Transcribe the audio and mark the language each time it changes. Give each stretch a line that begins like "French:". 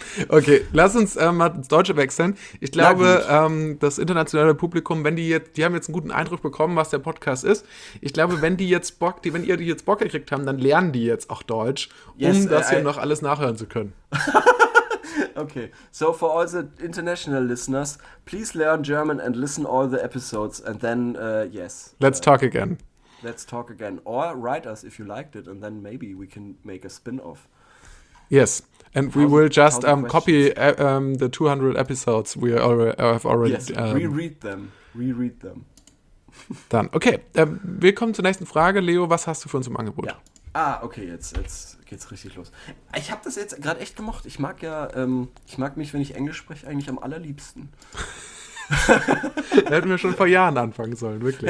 German: Okay, lass uns mal ins Deutsche wechseln. Ich glaube, das internationale Publikum, wenn die haben jetzt einen guten Eindruck bekommen, was der Podcast ist. Ich glaube, wenn ihr jetzt Bock gekriegt haben, dann lernen die jetzt auch Deutsch, um noch alles nachhören zu können.
English: Okay, so for all the international listeners, please learn German and listen all the episodes and then, let's talk again. Let's talk again. Or write us if you liked it and then maybe we can make a spin-off. Yes, and we will just copy the 200 episodes we have already... Reread them.
German: Dann, okay, wir kommen zur nächsten Frage. Leo, was hast du für uns im Angebot? Ja. Ah, okay, jetzt geht's richtig los. Ich habe das jetzt gerade echt gemocht. Ich mag ja, ich mag mich, wenn ich Englisch spreche, eigentlich am allerliebsten. Hätten wir schon vor Jahren anfangen sollen, wirklich.